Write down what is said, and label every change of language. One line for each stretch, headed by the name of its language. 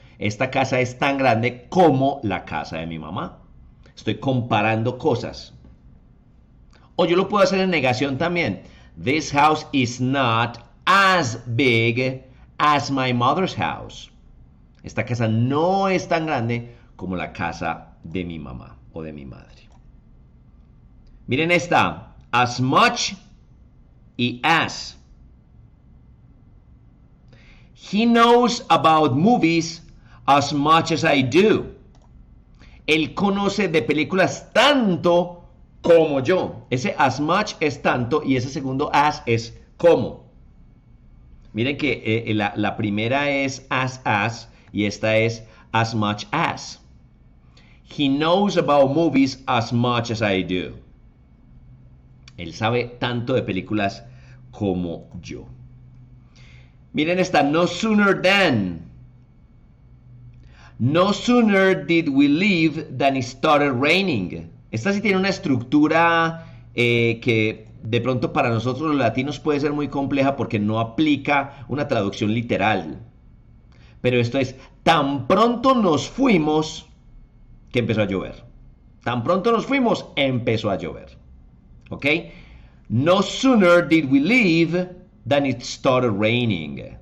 Spanish: Esta casa es tan grande como la casa de mi mamá. Estoy comparando cosas. O yo lo puedo hacer en negación también.
English: This house is not as big as my mother's house.
Spanish: Esta casa no es tan grande como la casa de mi mamá o de mi madre. Miren esta. As much y as.
English: He knows about movies as much as I do.
Spanish: Él conoce de películas tanto como yo. Ese as much es tanto y ese segundo as es como. Miren que la primera es as y esta es as much as.
English: He knows about movies as much as I do.
Spanish: Él sabe tanto de películas como yo. Miren esta,
English: no sooner than. No sooner did we leave than it started raining.
Spanish: Esta sí tiene una estructura que de pronto para nosotros los latinos puede ser muy compleja porque no aplica una traducción literal. Pero esto es, tan pronto nos fuimos que empezó a llover. Tan pronto nos fuimos, empezó a llover. ¿Ok?
English: No sooner did we leave than it started raining.